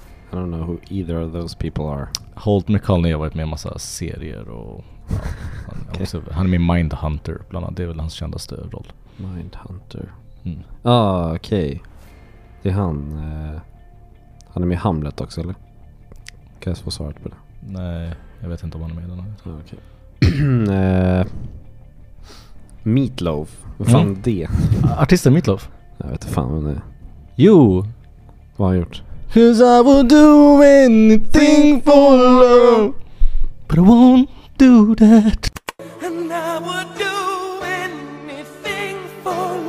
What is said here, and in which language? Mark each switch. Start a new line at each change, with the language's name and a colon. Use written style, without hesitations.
English: I don't know who either of those people are.
Swedish: Holt McCallany har varit med i en massa serier och han, okay. Också, han är med Mindhunter bland annat. Det är väl hans kändaste roll. Mindhunter. Ah, okej. Okay. Det är han. Han är med Hamlet också, eller? Kan jag få svaret på det? Nej, jag vet inte om han är med den här. Okej. Okay. Meatloaf. Vad fan är det? Artisten Meatloaf. Jag vet inte fan vad det är. Jo! Vad har han gjort?
English: 'Cause I would do anything for love, but I won't do that. And I would do anything for